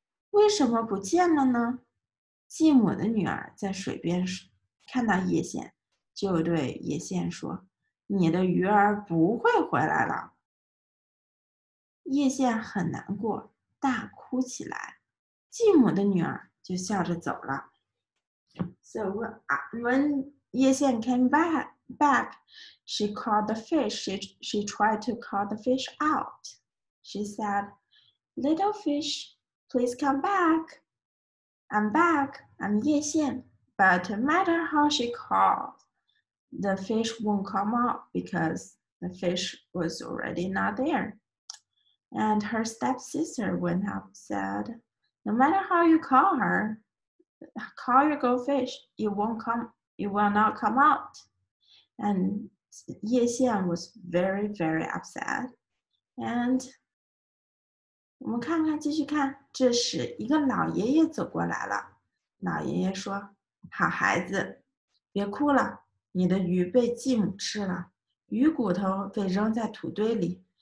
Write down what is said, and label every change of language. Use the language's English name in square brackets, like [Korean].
[Chinese] 为什么不见了呢？继母的女儿在水边看到叶线，就对叶线说，你的鱼儿不会回来了。叶线很难过，大哭起来。继母的女儿就笑着走了。 [English] So when 叶线 came back, she called the fish. She tried to call the fish out. She said, little fish, please come back. I'm back, I'm 叶线.But no matter how she called,The fish won't come out because the fish was already not there. And her stepsister went up and said, No matter how you call her, call your goldfish, it will not come out. And Ye Xian was very, very upset. [Chinese] And 我们看看，继续看，这时一个老爷爷走过来了。老爷爷说，好孩子，别哭了。你的鱼被继母吃了，鱼骨头被扔在土堆里。